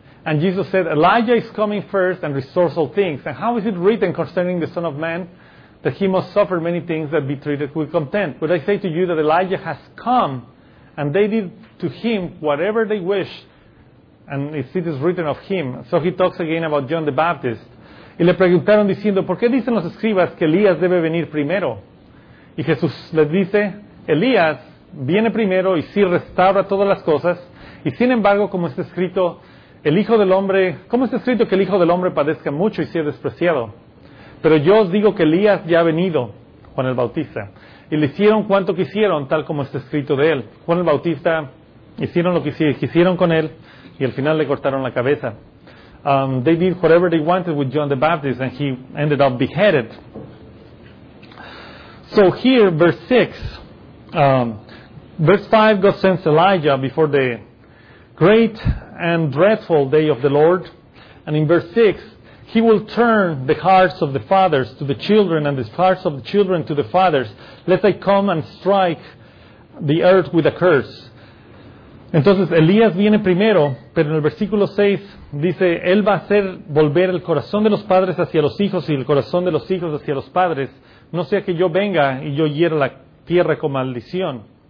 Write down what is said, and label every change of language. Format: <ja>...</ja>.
<en>And Jesus said, Elijah is coming first and restores all things. And how is it written concerning the Son of Man that he must suffer many things and be treated with contempt? But I say to you that Elijah has come, and they did to him whatever they wished, and it is written of him. So he talks again about John the Baptist.</en> <es>Y le preguntaron diciendo, ¿por qué dicen los escribas que Elías debe venir primero? Y Jesús les dice, Elías viene primero y sí restaura todas las cosas. Y sin embargo, como está escrito, el Hijo del Hombre, ¿cómo está escrito que el Hijo del Hombre padezca mucho y sea despreciado? Pero yo os digo que Elías ya ha venido, Juan el Bautista. Y le hicieron cuanto quisieron, tal como está escrito de él. Juan el Bautista, hicieron lo que quisieron con él, y al final le cortaron la cabeza.</es> <en>They did whatever they wanted with John the Baptist, and he ended up beheaded. So here, verse 5, God sends Elijah before the great and dreadful day of the Lord. And in verse 6, He will turn the hearts of the fathers to the children and the hearts of the children to the fathers, lest I come and strike the earth with a curse.</en> <es>Entonces, Elías viene primero, pero en el versículo 6 dice, él va a hacer volver el corazón de los padres hacia los hijos y el corazón de los hijos hacia los padres, no sea que yo venga y yo hiera la tierra con maldición.</es>